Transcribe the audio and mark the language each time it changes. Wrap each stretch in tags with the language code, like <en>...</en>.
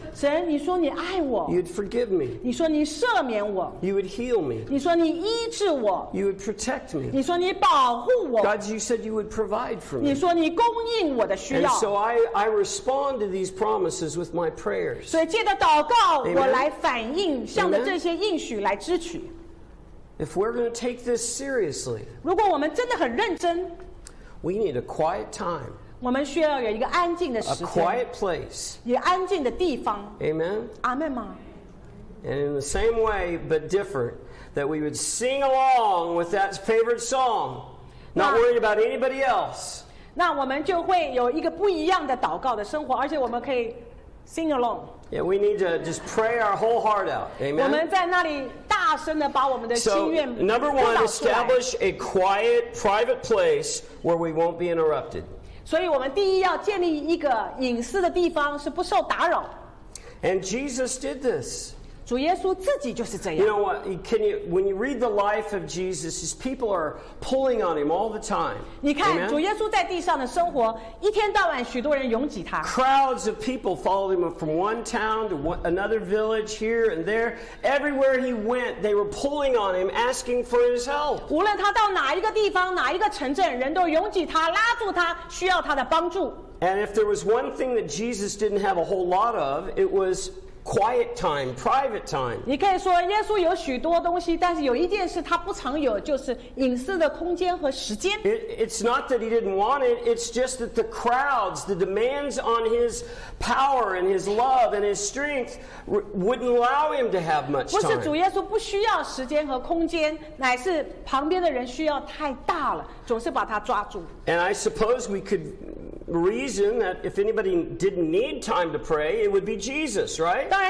<zh>神，你说你爱我,</zh> <en>you'd forgive me.</en> <zh>你说你赦免我,</zh> <en>you would heal me.</en> <zh>你说你医治我,</zh> <en>you would protect me.</en> <zh>你说你保护我,</zh> <en>God, you said you would provide for me.</en> <zh>你说你供应我的需要,</zh> <en>and so I respond to these promises with my prayers.</en> <zh>所以借着祷告, Amen? 我来反应, 向着这些应许来支取。</zh> <en>If we're going to take this seriously,</en> <zh>如果我们真的很认真,</zh> <en>we need a quiet time.</en> <zh>我们需要有一个安静的时间,</zh> <en>a quiet place.</en> <zh>也安静的地方,</zh> <en>Amen?</en> <zh>Amen吗?</zh> <en>And in the same way, but different, that we would sing along with that favorite song, not worried about anybody else.</en> <zh>那我们就会有一个不一样的祷告的生活, 而且我们可以</zh> <en>sing along. Yeah, we need to just pray our whole heart out. Amen?</en> <zh>我们在那里大声地把我们的心愿,</zh> <en>so, number one, establish a quiet, private place where we won't be interrupted.</en> <zh>所以我们第一要建立一个隐私的地方是不受打扰。</zh> <en>And Jesus did this.</en> <zh>主耶稣自己就是这样。</zh> <en>You know what, can you, when you read the life of Jesus, his people are pulling on him all the time.</en> <zh>你看, 主耶稣在地上的生活, 一天到晚许多人拥挤他。</zh> <en>Crowds of people followed him from one town to another village, here and there. Everywhere he went, they were pulling on him, asking for his help.</en> <zh>无论他到哪一个地方, 哪一个城镇, 人都拥挤他, 拉住他, 需要他的帮助。</zh> <en>And if there was one thing that Jesus didn't have a whole lot of, it was quiet time, private time.</en> <zh>你可以说耶稣有许多东西, 但是有一件事他不常有, 就是隐私的空间和时间。</zh> <en>It's not that he didn't want it, it's just that the crowds, the demands on his power and his love and his strength wouldn't allow him to have much time.</en> <zh>不是主耶稣不需要时间和空间, 乃是旁边的人需要太大了, 总是把他抓住。</zh> <en>And I suppose we could reason that if anybody didn't need time to pray, it would be Jesus, right?</en>